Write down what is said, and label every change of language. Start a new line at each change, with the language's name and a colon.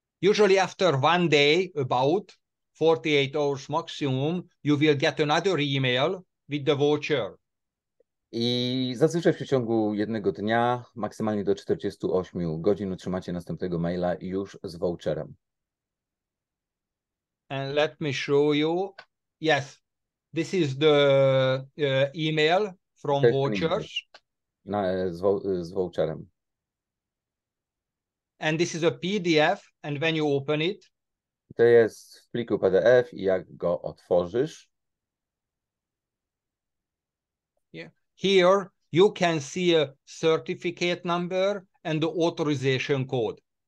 English: Usually after one day, about 48 hours maximum, you will get another email with the voucher.
Polish: I zazwyczaj w przeciągu jednego dnia, maksymalnie do 48 godzin, otrzymacie następnego maila już z voucherem.
English: And let me show you. Yes, this is the email from vouchers.
Polish: Z voucherem.
English: And this is a PDF, and when you open it.
Polish: To jest w pliku PDF i jak go otworzysz.
English: Here you can see a certificate number and the authorization code.